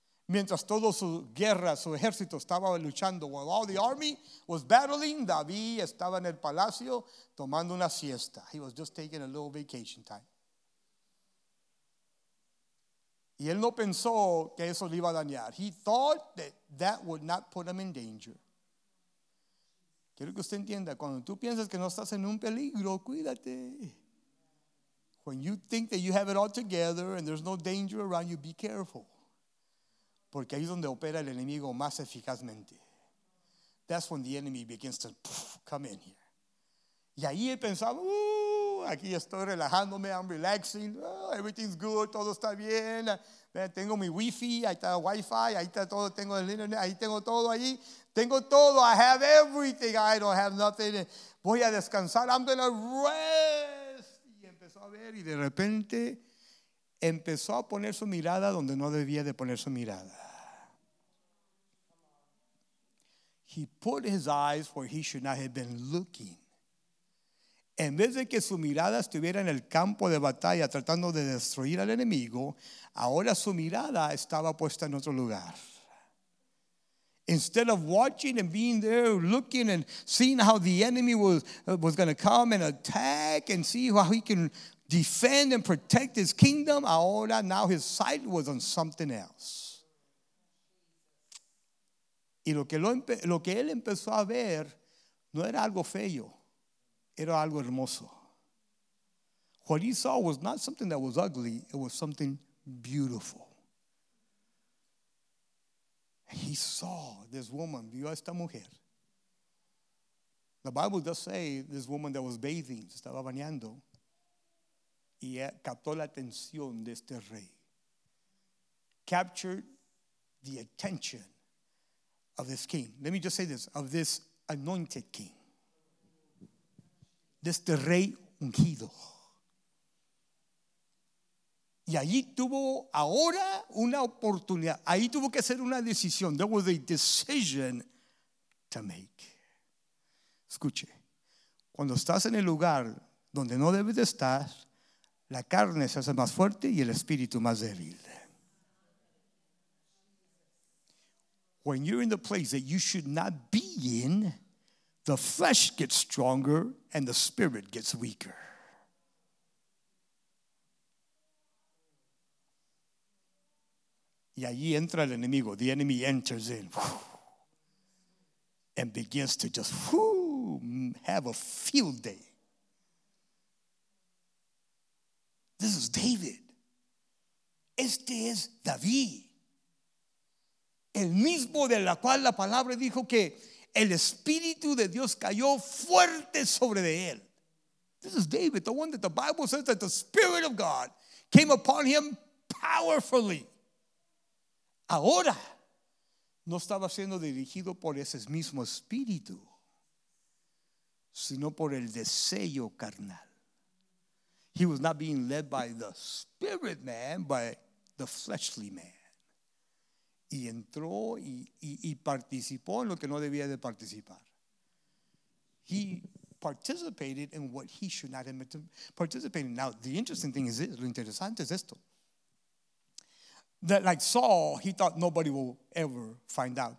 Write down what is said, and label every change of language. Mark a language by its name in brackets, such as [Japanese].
[Spanish] Mientras toda su guerra, su ejército estaba luchando, [English] while all the army was battling, [Spanish] David estaba en el palacio tomando una siesta. [English] He was just taking a little vacation time. [Spanish] Y él no pensó que eso le iba a dañar. [English] He thought that that would not put him in danger. [Spanish] Quiero que usted entienda, cuando tú piensas que no estás en un peligro, cuídate. [English] When you think that you have it all together and there's no danger around you, be careful. [Spanish] Porque ahí es donde opera el enemigo más eficazmente. [English] That's when the enemy begins to come in here. [Spanish] Y ahí él pensaba, aquí estoy relajándome, [English] I'm relaxing, oh, everything's good, [Spanish] todo está bien, tengo mi wifi, ahí está el wifi, ahí está todo, tengo el internet, ahí tengo todo, ahí tengo todo, [English] I have everything, I don't have nothing, [Spanish] voy a descansar, [English] I'm gonna rest. [Spanish] Y empezó a ver y de repente empezó a poner su mirada donde no debía de poner su mirada. [English] He put his eyes where he should not have been looking. [Spanish] En vez de que su mirada estuviera en el campo de batalla tratando de destruir al enemigo, ahora su mirada estaba puesta en otro lugar. [English] Instead of watching and being there, looking and seeing how the enemy was going to come and attack and see how he can defend and protect his kingdom, ahora now his sight was on something else. [Spanish] Y lo que él empezó a ver no era algo feo. Era algo hermoso. [English] What he saw was not something that was ugly. It was something beautiful. He saw this woman. [Spanish] Vio a esta mujer. [English] The Bible does say this woman that was bathing, [Spanish] se estaba bañando, y captó la atención de este rey. [English] Captured the attention of this king. Let me just say this, of this anointed king. [Spanish] De este rey ungido. Y allí tuvo ahora una oportunidad. Ahí tuvo que hacer una decisión. [English] There was a decision to make. [Spanish] Escuche, cuando estás en el lugar donde no debes de estar, la carne se hace más fuerte y el espíritu más débil. [English] When you're in the place that you should not be in, the flesh gets stronger and the spirit gets weaker. [Spanish] Y allí entra el enemigo. [English] The enemy enters in. And begins to just have a field day. This is David. [Spanish] Este es David. El mismo de la cual la palabra dijo que el Espíritu de Dios cayó fuerte sobre de él. [English] This is David, the one that the Bible says that the Spirit of God came upon him powerfully. [Spanish] Ahora, no estaba siendo dirigido por ese mismo Espíritu, sino por el deseo carnal. [English] He was not being led by the spirit man, by the fleshly man. [Spanish] Y entró y participó en lo que no debía de participar. [English] He participated in what he should not have participated. Now, the interesting thing is this, [Spanish] lo interesante es esto. [English] That like Saul, he thought nobody will ever find out.